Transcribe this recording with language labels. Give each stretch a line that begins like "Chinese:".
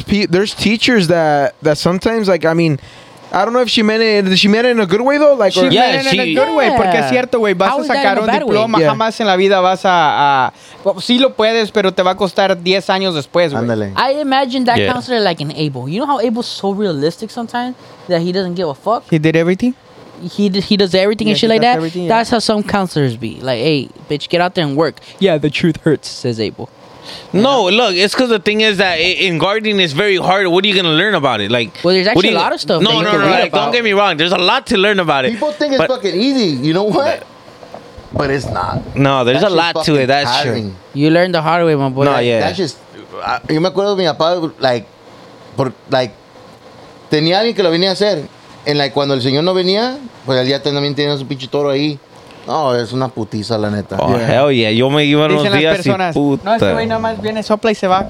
English: There's teachers that sometimes, like, I mean, I don't know if she meant it. Did she meant it in a good way, though? Like, she meant it in a good way.
Spanish: Porque es cierto, güey. Vas a sacar un diploma. Yeah. Jamás en la vida vas a... sí lo puedes, pero te va a costar 10 años después, güey. Ándale.
English: I imagine that counselor like an Abel. You know how Abel's so realistic sometimes? That he doesn't give a fuck? He did everything? He does everything and shit like that? Yeah. That's how some counselors be. Like, hey, bitch, get out there and work. Yeah, the truth hurts, says Abel. No, look, it's because the thing is that in gardening it's very hard. What are you going to learn about it? Like, well, there's actually a lot of stuff. No, like, don't get me wrong. There's a lot to learn about it. People think it's fucking easy. You know what? But it's not. No, there's a lot to it. That's true. You learn the hard way, my boy. No, yeah. That's just...
Spanish: Yo me acuerdo de mi papá, like, tenía alguien que lo venía a hacer. En like, cuando el señor no venía, pues él ya también tenía su pinche toro ahí. No, oh, es una putiza, la neta.
English: Oh, yeah. Hell yeah.
Spanish: Yo me iba unos días y puta. No, ese güey nada más viene, sopla y se va.